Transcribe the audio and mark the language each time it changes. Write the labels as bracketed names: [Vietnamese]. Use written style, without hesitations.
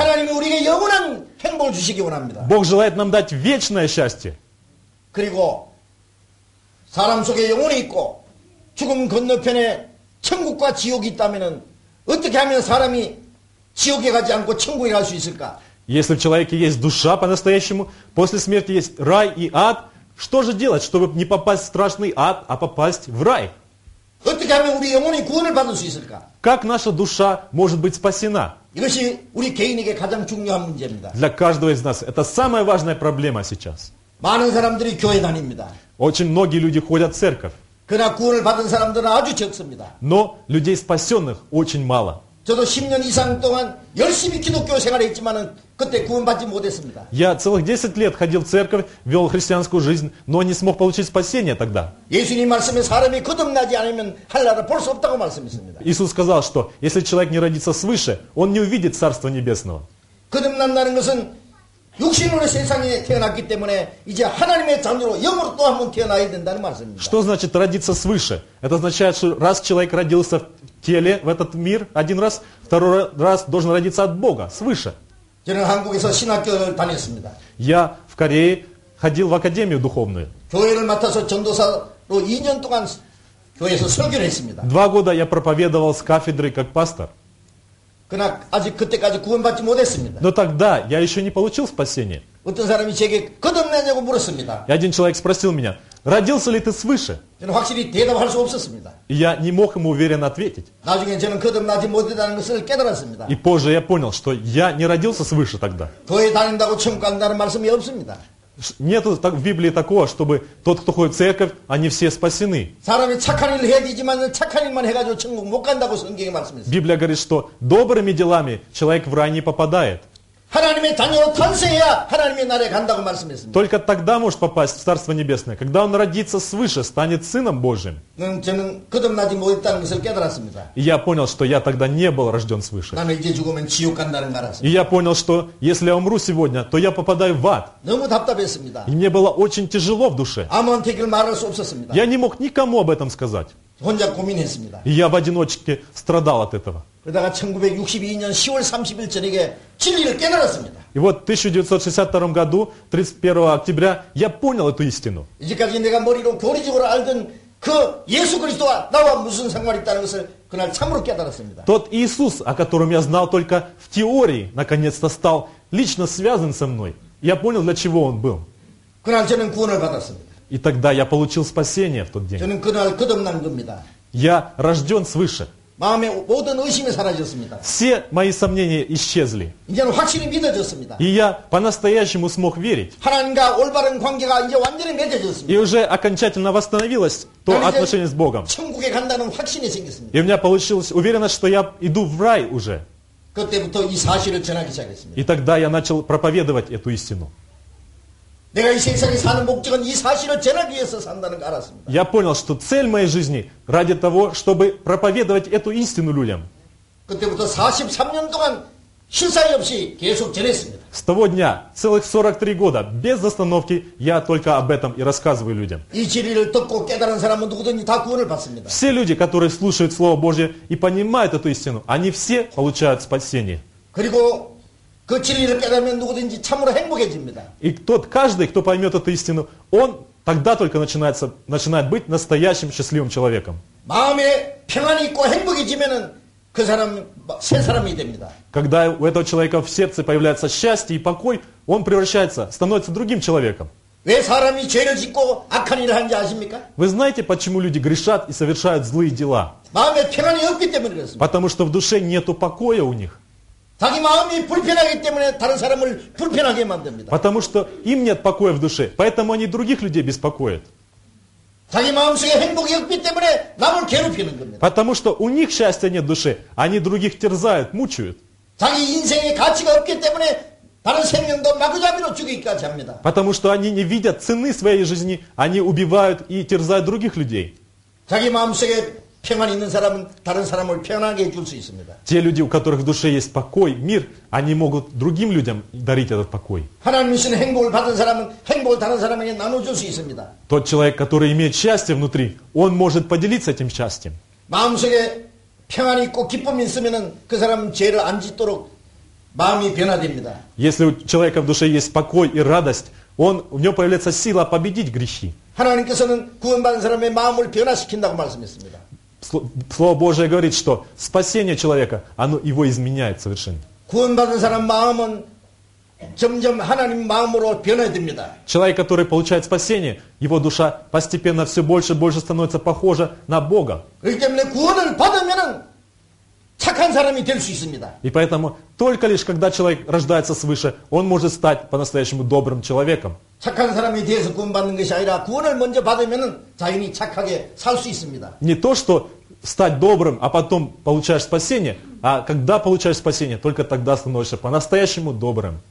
[Korean] 하나님이 우리에게 영원한 행복을 주시기 원합니다. [Russian] Бог желает нам дать вечное счастье. [Korean] 그리고 사람 속에 영혼이 있고 죽음 건너편에 천국과 지옥이 있다면은 어떻게 하면 사람이 지옥에 가지 않고 천국에 갈 수 있을까? [Russian] Если в человеке есть душа по-настоящему, после смерти есть рай и ад, что же делать, чтобы не попасть в страшный ад, а попасть в рай? [Korean] 어떻게 하면 우리 영혼이 구원을 받을 수 있을까? [Russian] Как наша душа может быть спасена? [Korean] 이것이 우리 개인에게 가장 중요한 문제입니다. [Russian] Для каждого из нас это самая важная проблема сейчас. [Korean] 많은 사람들이 교회 다닙니다. [Russian] Очень многие люди ходят в церковь. [Korean] 그러나 구원을 받은 사람들은 아주 적습니다. [Russian] Но людей спасенных очень мало. [Korean] 저도 10년 이상 동안 열심히 기독교 생활을 했지만 그때 구원받지 못했습니다. [Russian] Я целых 10 лет ходил в церковь, вел христианскую жизнь, но не смог получить спасение тогда. [Korean] 예수님 말씀에 사람이 거듭나지 않으면 할 나라 볼 수 없다고 말씀했습니다. [Russian] Иисус сказал, что если человек не родится свыше, он не увидит Царство Небесного. [Korean] 거듭난다는 것은 육신으로 세상에 태어났기 때문에 이제 하나님의 자녀로 영으로 또 한번 태어나야 된다는 말씀입니다. [Russian] Что значит родиться свыше? Это означает, что раз человек родился в теле, в этот мир, один раз, второй раз должен родиться от Бога, свыше. [Korean] 저는 한국에서 신학교를 다녔습니다. [Russian] Я в Корее ходил в академию духовную. [Korean] 교회를 맡아서 전도사로 2년 동안 교회에서 설교를 했습니다. [Russian] Два года я проповедовал с кафедры как пастор. [Korean] 그러나 아직 그때까지 구원받지 못했습니다. [Russian] Но тогда я еще не получил спасение. [Korean] 어떤 사람이 제게 거듭나냐고 물었습니다. [Russian] И один человек спросил меня, родился ли ты свыше? [Korean] 저는 확실히 대답할 수 없었습니다. [Russian] И я не мог ему уверенно ответить. [Korean] 나중에 저는 거듭나지 못했다는 것을 깨달았습니다. [Russian] И позже я понял, что я не родился свыше тогда. [Korean] 교회 다닌다고 천국 간다는 말씀이 없습니다. [Russian] Нету так в Библии такого, чтобы тот, кто ходит в церковь, они все спасены. [Korean] 사람이 착한 일을 해야 되지만 착한 일만 해가지고 천국 못 간다고 성경이 말씀했어요. [Russian] Библия говорит, что добрыми делами человек в рай не попадает. [Korean] 하나님의 자녀로 탄생해야 하나님의 나라에 간다고 말씀했습니다. [Russian] Только тогда может попасть в Царство Небесное, когда он родится свыше, станет сыном Божьим. [Korean] 저는 거듭나지 못했다는 것을 깨달았습니다. [Russian] И я понял, что я тогда не был рожден свыше. [Korean] 나는 이제 죽으면 지옥 간다는 걸 알았습니다. [Russian] И я понял, что если я умру сегодня, то я попадаю в ад. [Korean] 너무 답답했습니다. [Russian] И мне было очень тяжело в душе. [Korean] 아무한테 말할 수 없었습니다. [Russian] Я не мог никому об этом сказать. [Korean] 혼자 고민했습니다. [Russian] И я в одиночке страдал от этого. [Korean] 그러다가 1962년 10월 30일 저녁에 진리를 깨달았습니다. [Russian] И вот в 1962 году, 31 октября, я понял эту истину. [Korean] 이제까지 내가 머리로 교리적으로 알던 그 예수 그리스도와 나와 무슨 상관이 있다는 것을 그날 참으로 깨달았습니다. [Russian] Тот Иисус, о котором я знал только в теории, наконец-то стал лично связан со мной. Я понял, для чего он был. [Korean] 그날 저는 구원을 받았습니다. [Russian] И тогда я получил спасение в тот день. [Korean] 저는 그날 거듭난 겁니다. [Russian] Я рожден свыше. [Korean] 마음의 모든 의심이 사라졌습니다. [Russian] Все мои сомнения исчезли. [Korean] 이제는 확실히 믿어졌습니다. [Russian] И я по-настоящему смог верить. [Korean] 하나님과 올바른 관계가 이제 완전히 맺어졌습니다. [Russian] И уже окончательно восстановилось то отношение с Богом. [Korean] 천국에 간다는 확신이 생겼습니다. [Russian] И у меня получилась уверенность, что я иду в рай уже. [Korean] 그때부터 이 사실을 전하기 시작했습니다. [Russian] И тогда я начал проповедовать эту истину. [Korean] 내가 이 세상에 사는 목적은 이 사실을 전하기 위해서 산다는 걸 알았습니다. [Russian] Я понял, что цель моей жизни ради того, чтобы проповедовать эту истину людям. [Korean] 그때부터 43년 동안 쉴 사이 없이 계속 전했습니다. [Russian] С того дня, целых 43 года, без остановки, я только об этом и рассказываю людям. [Korean] 이 진리를 듣고 깨달은 사람은 누구든지 다 구원을 받습니다. [Russian] Все люди, которые слушают Слово Божье и понимают эту истину, они все получают спасение. [Korean] 그리고 그 진리를 깨달으면 누구든지 참으로 행복해집니다. [Russian] И тот, каждый, кто поймет эту истину, он тогда только начинает быть настоящим счастливым человеком. [Korean] 마음에 평안이 있고 행복해지면은 그 사람 새 사람이 됩니다. [Russian] Когда у этого человека в сердце появляется счастье и покой, он превращается, становится другим человеком. [Korean] 왜 사람이 죄를 짓고 악한 일을 하는지 아십니까? [Russian] Вы знаете, почему люди грешат и совершают злые дела? [Korean] 마음에 평안이 없기 때문에 그렇습니다. [Russian] Потому что в душе нету покоя у них. [Korean] 자기 마음이 불편하기 때문에 다른 사람을 불편하게 만듭니다. [Russian] Потому что им нет покоя в душе, поэтому они других людей беспокоят. [Korean] 자기 마음속에 행복이 없기 때문에 남을 괴롭히는 겁니다. [Russian] Потому что у них счастья нет в душе, они других терзают, мучают. [Korean] 자기 인생에 가치가 없기 때문에 다른 생명도 마구잡이로 죽이기까지 합니다. [Russian] Потому что они не видят цены своей жизни, они убивают и терзают других людей. [Korean] 자기 마음속에 평안 있는 사람은 다른 사람을 평안하게 해줄 수 있습니다. [Russian] Те люди, у которых в душе есть покой, мир, они могут другим людям дарить этот покой. [Korean] 하나님 주신 행복을 받은 사람은 행복을 다른 사람에게 나눠줄 수 있습니다. [Russian] Тот человек, который имеет счастье внутри, он может поделиться этим счастьем. [Korean] 마음속에 평안이 있고 기쁨이 있으면은 그 사람은 죄를 안 짓도록 마음이 변화됩니다. [Russian] Если у человека в душе есть покой и радость, он, у него появляется сила победить грехи. [Korean] 하나님께서는 구원받은 사람의 마음을 변화시킨다고 말씀했습니다. [Russian] Слово Божие говорит, что спасение человека, оно его изменяет совершенно. Человек, который получает спасение, его душа постепенно все больше и больше становится похожа на Бога. И поэтому только лишь когда человек рождается свыше, он может стать по-настоящему добрым человеком. [Korean] 착한 사람에 대해서 구원받는 것이 아니라 구원을 먼저 받으면은 자연히 착하게 살 수 있습니다. [Russian] Не то, что стать добрым, а потом получаешь спасение, а когда получаешь спасение, только тогда становишься по-настоящему добрым.